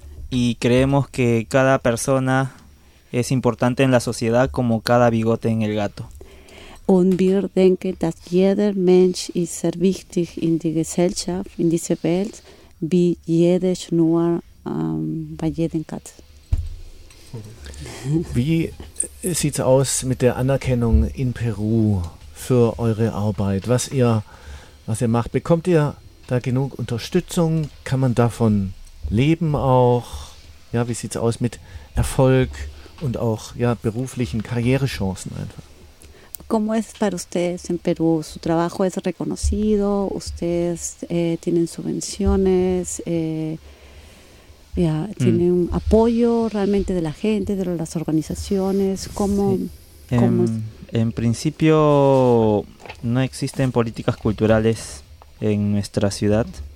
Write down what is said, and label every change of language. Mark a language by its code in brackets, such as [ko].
[es] Y creemos que cada persona es importante en la sociedad como cada bigote en el gato. [de] Und wir denken, dass jeder Mensch ist sehr wichtig in die Gesellschaft, in diese Welt, wie jede Schnur bei jedem Katz. Wie sieht's aus mit der Anerkennung in Peru für eure Arbeit? Was ihr macht, bekommt ihr da genug Unterstützung? Kann man davon leben auch? Ja, wie sieht's aus mit Erfolg und auch ja, beruflichen Karrierechancen einfach? [es] ¿Cómo es para ustedes en Perú? ¿Su trabajo es reconocido? ¿Ustedes tienen subvenciones? ¿Tienen apoyo realmente de la gente, de las organizaciones? ¿Cómo? Sí. En principio no existen políticas culturales en nuestra ciudad.